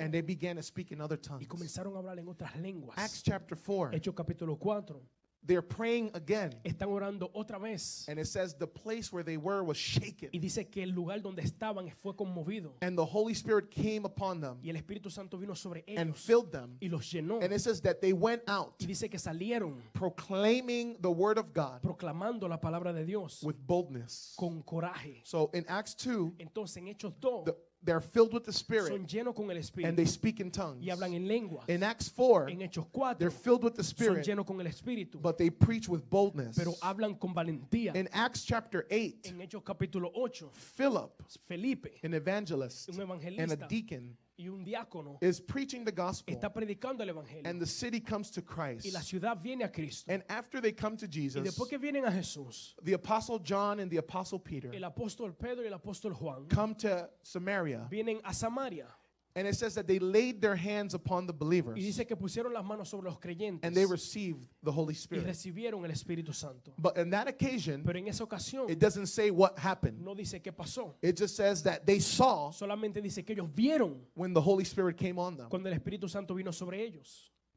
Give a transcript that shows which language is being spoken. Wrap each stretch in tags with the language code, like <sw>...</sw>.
<en>and they began to speak in other tongues,</en> <es>y comenzaron a hablar en otras lenguas.</es> <en>Acts chapter 4,</en> <es>Hechos capítulo 4,</es> <en>they're praying again.</en> <es>Están orando otra vez.</es> <en>And it says the place where they were was shaken.</en> <es>Y dice que el lugar donde estaban fue conmovido.</es> <en>And the Holy Spirit came upon them.</en> <es>Y el Espíritu Santo vino sobre ellos.</es> <en>And filled them.</en> <es>Y los llenó.</es> <en>And it says that they went out.</en> <es>Y dice que salieron.</es> <en>Proclaiming the word of God.</en> <es>Proclamando la palabra de Dios.</es> <en>With boldness.</en> <es>Con coraje.</es> <en>So in Acts 2.</en> <es>Entonces en Hechos 2.</es> <en>They're filled with the Spirit.</en> <es>Son lleno con el Espíritu,</es> <en>and they speak in tongues.</en> <es>Y hablan en lenguas.</es> <en>In Acts 4,</en> <es>en Hechos 4,</es> <en>they're filled with the Spirit.</en> <es>Son lleno con el Espíritu,</es> <en>but they preach with boldness.</en> <es>Pero hablan con valentía.</es> <en>In Acts chapter 8,</en> <es>en Hechos capítulo 8,</es> <en>Philip,</en> <es>Felipe,</es> <en>an evangelist,</en> <es>un evangelista,</es> <en>and a deacon,</en> <es>y un diácono,</es> <en>is preaching the gospel,</en> <es>está predicando el evangelio,</es> <en>and the city comes to Christ.</en> <es>Y la ciudad viene a Cristo.</es> <en>And after they come to Jesus,</en> <es>y después que vienen a Jesús,</es> <en>the apostle John and the apostle Peter,</en> <es>el apóstol Pedro y el apóstol Juan,</es> <en>come to Samaria,</en> <es>vienen a Samaria.</es> <en>And it says that they laid their hands upon the believers,</en> <es>y dice que pusieron las manos sobre los creyentes,</es> <en>and they received the Holy Spirit,</en> <es>y recibieron el Espíritu Santo.</es> <en>But in that occasion,</en> <es>pero en esa ocasión,</es> <en>it doesn't say what happened,</en> <es>no dice qué pasó.</es> <en>It just says that they saw,</en> <es>solamente dice que ellos vieron,</es> <en>when the Holy Spirit came on them,</en> <es>cuando el Espíritu Santo vino sobre ellos.</es>